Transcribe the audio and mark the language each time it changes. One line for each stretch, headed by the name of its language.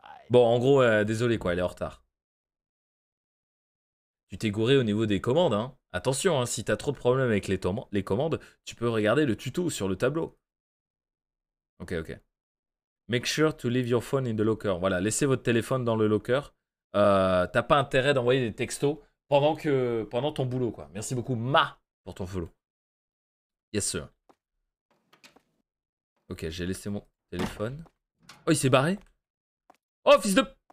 French: Bon, en gros, désolé quoi, elle est en retard. Tu t'es gouré au niveau des commandes, hein. Attention, hein, si t'as trop de problèmes avec les commandes, tu peux regarder le tuto sur le tableau. Ok, ok.
English: Make sure to leave your phone in the locker.
French: Voilà, laissez votre téléphone dans le locker. T'as pas intérêt d'envoyer des textos pendant ton boulot, quoi. Merci beaucoup, Ma, pour ton follow.
English: Yes, sir.
French: Ok, j'ai laissé mon téléphone. Oh, il s'est barré. Oh, fils de...